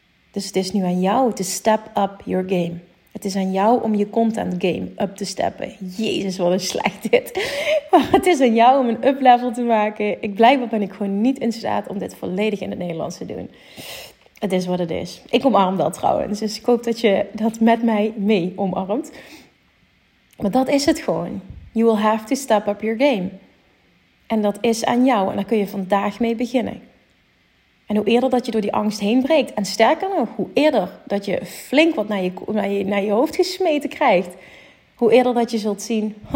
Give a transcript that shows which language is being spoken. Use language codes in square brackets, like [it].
[nl] Dus het is nu aan jou [en] to step up your game. [nl] Het is aan jou om je content game up te steppen. Jezus, wat een slecht dit. Maar het is aan jou om een uplevel te maken. Ik blijkbaar ben ik gewoon niet in staat om dit volledig in het Nederlands te doen. Het is wat het is. Ik omarm dat trouwens. Dus ik hoop dat je dat met mij mee omarmt. Maar dat is het gewoon. [en] You will have to step up your game. [nl] En dat is aan jou. En daar kun je vandaag mee beginnen. En hoe eerder dat je door die angst heen breekt. En sterker nog, hoe eerder dat je flink wat naar je hoofd gesmeten krijgt. Hoe eerder dat je zult zien.